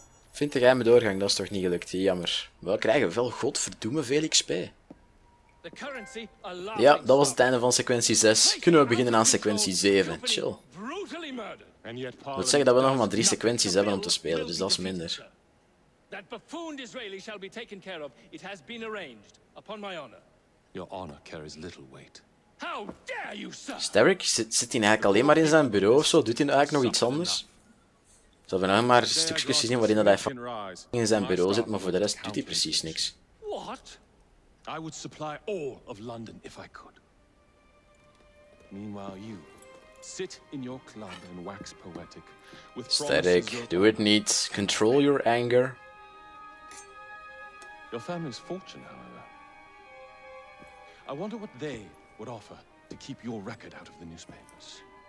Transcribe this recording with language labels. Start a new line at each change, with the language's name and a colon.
Dutch: Vind de geheime doorgang, dat is toch niet gelukt? Jammer. Wel krijgen we wel godverdoeme veel XP. Ja, dat was het einde van sequentie 6. Kunnen we beginnen aan sequentie 7? Chill. Dat wil zeggen dat we nog maar 3 sequenties hebben om te spelen, dus dat is minder.
English: That buffooned Israeli shall be taken care of. It has been arranged, upon my honor. Your honor carries little weight. How dare you, sir?
Dutch: Sterk, zit hij eigenlijk alleen maar in zijn bureau of zo? Doet hij eigenlijk nog iets anders? Zal we nog maar stukjes zien waarin dat hij in zijn bureau zit, maar voor de rest doet hij precies niks.
English: What? I would supply all of London if I could. Meanwhile, you sit in your club and wax poetic. Sterk, do it neat. Control your anger. Your family's fortune, however. I wonder what they would offer to keep your record out of the newspapers.